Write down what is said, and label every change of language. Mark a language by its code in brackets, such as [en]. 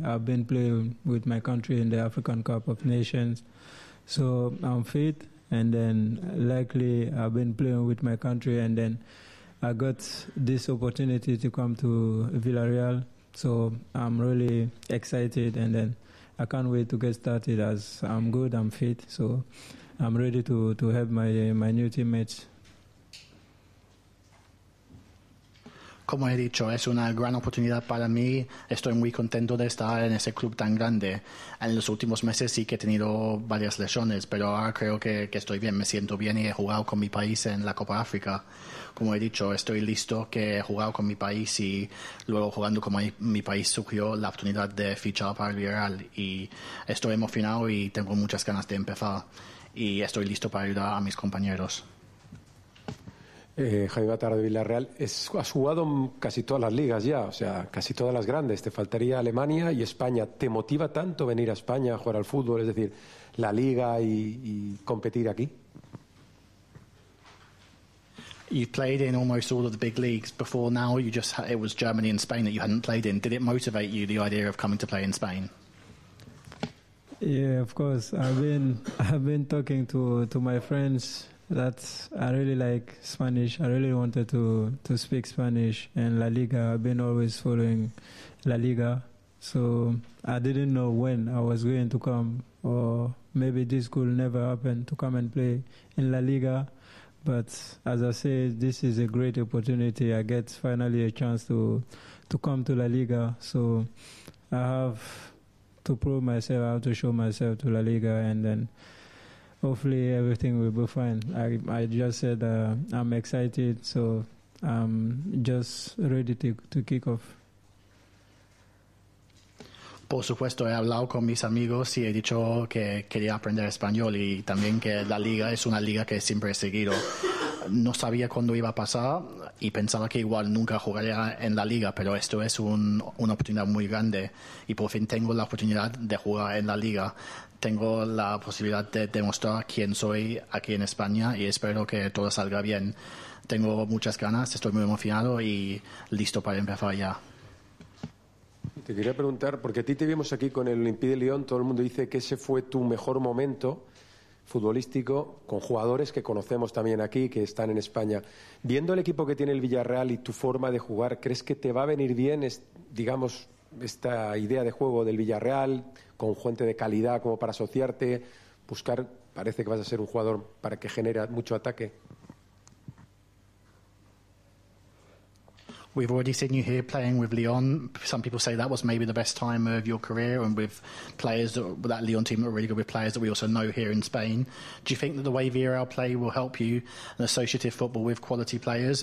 [en] I've been playing with my country in the African Cup of Nations, so I'm fit, and then luckily I've been playing with my country, and then I got this opportunity to come to Villarreal, so I'm really excited, and then I can't wait to get started as I'm good, I'm fit, so I'm ready to help my new teammates. [es] Como he dicho, es una gran oportunidad para mí. Estoy muy contento de estar en ese club tan grande. En los últimos meses sí que he tenido varias lesiones, pero ahora creo que estoy bien, me siento bien y he jugado con mi país en la Copa África. Como he dicho, estoy listo que he jugado con mi país y luego jugando con mi país surgió la oportunidad de fichar para el Villarreal y estoy emocionado y tengo muchas ganas de empezar y estoy listo para ayudar a mis compañeros. Jaime Batara de Villarreal, has jugado casi todas las ligas ya, o sea, casi todas las grandes, te faltaría Alemania y España. ¿Te motiva tanto venir a España a jugar al fútbol, es decir, la liga y competir aquí? [en] You've played in almost all of the big leagues before now, it was Germany and Spain that you hadn't played in. Did it motivate you, the idea of coming to play in Spain? Yeah, of course. I've been talking to my friends that I really like Spanish. I really wanted to speak Spanish and La Liga. I've been always following La Liga. So I didn't know when I was going to come, or maybe this could never happen, to come and play in La Liga. But as I said, this is a great opportunity. I get finally a chance to come to La Liga. So I have to prove myself, I have to show myself to La Liga, and then hopefully everything will be fine. I just said I'm excited, so I'm just ready to kick off. [es] Por supuesto, he hablado con mis amigos y he dicho que quería aprender español y también que la liga es una liga que siempre he seguido. No sabía cuándo iba a pasar y pensaba que igual nunca jugaría en la liga, pero esto es una oportunidad muy grande y por fin tengo la oportunidad de jugar en la liga. Tengo la posibilidad de demostrar quién soy aquí en España y espero que todo salga bien. Tengo muchas ganas, estoy muy emocionado y listo para empezar ya. Te quería preguntar, porque a ti te vimos aquí con el Olympique de Lyon, todo el mundo dice que ese fue tu mejor momento futbolístico, con jugadores que conocemos también aquí, que están en España. Viendo el equipo que tiene el Villarreal y tu forma de jugar, ¿crees que te va a venir bien, digamos, esta idea de juego del Villarreal, con gente de calidad como para asociarte, buscar, parece que vas a ser un jugador para que genere mucho ataque? [en] We've already seen you here playing with Lyon. Some people say that was maybe the best time of your career, and with players that Lyon team are really good, with players that we also know here in Spain. Do you think that the way Villarreal play will help you in associative football with quality players?